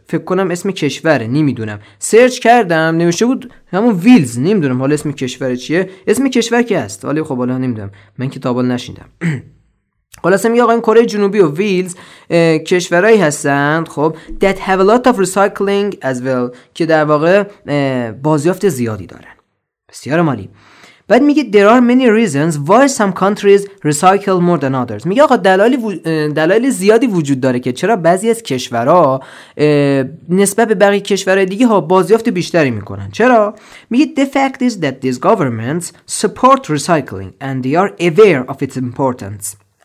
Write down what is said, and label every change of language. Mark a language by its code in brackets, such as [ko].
[fa] فکر کنم اسم کشوره، نمیدونم. سرچ کردم نوشته بود همون ویلز، نمیدونم حالا اسم کشور چیه، اسم کشور که هست ولی خب حالا نمیدونم، من که تابل نشیندم. خلاصه میگه آقا این کره جنوبی و ویلز کشورهایی هستند خب [en] that have a lot of recycling as well، [fa] که در واقع بازیافت زیادی دارن. بسیار مالی. بعد میگه [en] there are many reasons why some countries recycle more than others. [fa] میگه آقا دلایل زیادی وجود داره که چرا بعضی از کشورها نسبت به بقیه کشورهای دیگه ها بازیافت بیشتری میکنن. چرا؟ میگه [en] the fact is that these governments support recycling and they are aware of its importance.